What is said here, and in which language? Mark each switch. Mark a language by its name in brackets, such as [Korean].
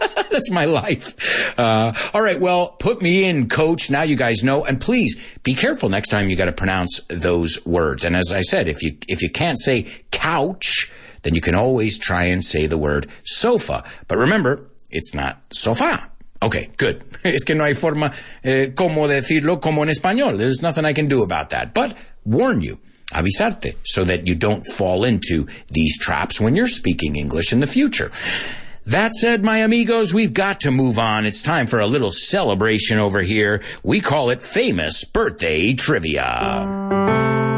[English] That's my life. All right. Well, put me in, coach. Now you guys know. And please be careful next time you got to pronounce those words. And as I said, if you can't say couch, then you can always try and say the word sofa. But remember, it's not sofá. Okay, good. [Spanish] Es que no hay forma como decirlo como en español. [English] There's nothing I can do about that. But warn you, avisarte, so that you don't fall into these traps when you're speaking English in the future. That said, my amigos, we've got to move on. It's time for a little celebration over here. We call it Famous Birthday Trivia.